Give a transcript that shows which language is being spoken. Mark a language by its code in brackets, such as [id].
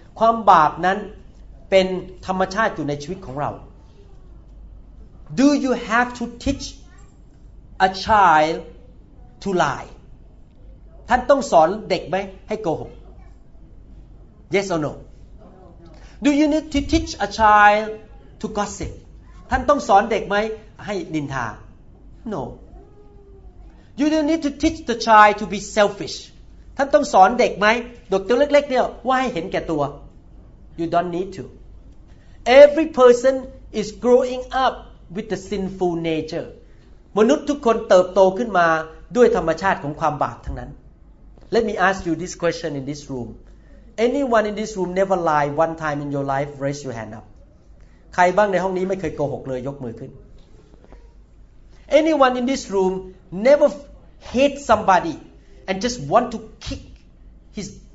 [th] ความบาปนั้นเป็นธรรมชาติอยู่ในชีวิตของเรา [en] Do you have to teach a child to lie? [th] ท่านต้องสอนเด็กไหมให้โกหก [en] Yes or no? Do you need to teach a child to gossip? [th] ท่านต้องสอนเด็กไหมให้นินทา No. [en] You don't need to teach the child to be selfish? [th] ท่านต้องสอนเด็กไหมเด็กตัวเล็กๆเนี่ยว่าให้เห็นแก่ตัว [en] You don't need to. Every person is growing upwith the sinful nature [th] มนุษย์ทุกคนเติบโตขึ้นมาด้วยธรรมชาติของความบาปทั้งนั้น [en] Let me ask you this question in this room Anyone in this room never lie one time in your life raise your hand up [th] ใครบ้างในห้องนี้ไม่เคยโกหกเลยยกมือขึ้น [en] Anyone in this room never hate somebody and just want to kick his